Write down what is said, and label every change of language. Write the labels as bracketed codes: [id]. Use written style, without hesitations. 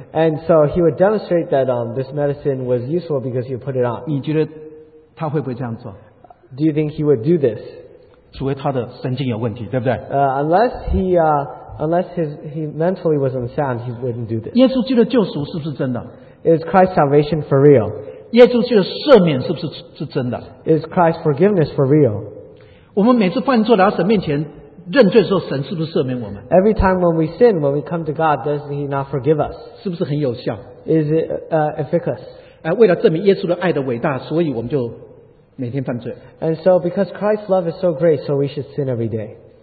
[en] And so he would demonstrate that this medicine was useful because he put it on. [zh] 你觉得他会不会这样做? [en] Do you think he would do this? [zh] 除非他的神经有问题,对不对? [en] Unless he mentally was unsound, he wouldn't do this. [zh] 耶稣基督的救赎是不是真的? [en] Is Christ's salvation for real? [zh] 耶稣基督的赦免是不是真的? [en] Is Christ's forgiveness for real? [zh] 我们每次犯错来到神面前认罪的时候，神是不是赦免我们? [en] Every time when we sin, when we come to God, doesn't He not forgive us? [zh] 是不是很有效? [en] Is it efficacious? [zh] 为了证明耶稣的爱的伟大，所以我们就每天犯罪。 [en] And so because Christ's love is so great, so we should sin every day.